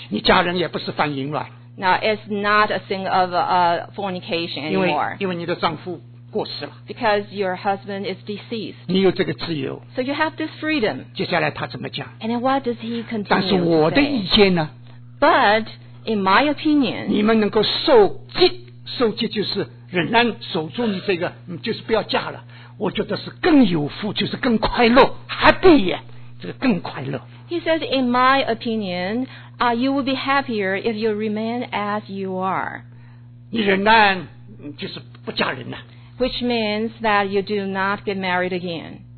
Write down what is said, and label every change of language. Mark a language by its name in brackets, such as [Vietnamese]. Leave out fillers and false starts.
[Chinese] 你嫁人也不是犯淫乱。 [English] Now, it's not a thing of fornication anymore. [Chinese] 因为你的丈夫过世了。 [English] Because your husband is deceased. [Chinese] 你有这个自由。 [English] So you have this freedom. [Chinese] 接下来他怎么讲？ [English] And then what does he continue to say? [Chinese] 但是我的意见呢？ [English] But, in my opinion, [Chinese] 你们能够受戒，受戒就是仍然守住你这个，就是不要嫁了。我觉得是更有福，就是更快乐 ，happy， 这个更快乐。 [English] He says, in my opinion, you will be happier if you remain as you are. [Chinese] 你仍然就是不嫁人了。 [English] Which means that you do not get married again.